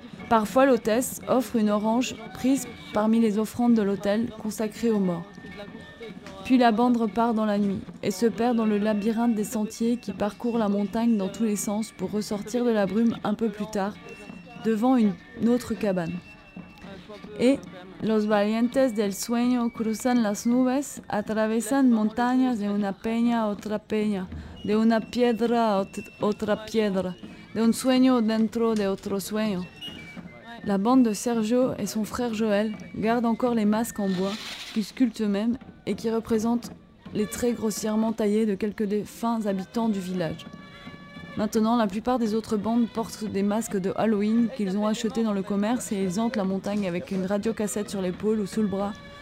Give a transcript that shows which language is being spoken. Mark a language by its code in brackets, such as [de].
[fr] Parfois l'hôtesse offre une orange prise parmi les offrandes de l'hôtel consacrée aux morts. Puis la bande repart dans la nuit et se perd dans le labyrinthe des sentiers qui parcourt la montagne dans tous les sens pour ressortir de la brume un peu plus tard devant une autre cabane. [es] Et los valientes del sueño cruzan las nubes, atravesan montañas de una peña a otra peña, de una piedra a otra piedra, de un sueño dentro de otro sueño. [fr] La bande de Sergio et son frère Joel gardent encore les masques en bois qu'ils sculptent eux-mêmes et qui représentent les traits grossièrement taillés de quelques des fins habitants du village. Maintenant, la plupart des autres bandes portent des masques de Halloween qu'ils ont achetés dans le commerce et ils hantent la montagne avec une radiocassette sur l'épaule ou sous le bras.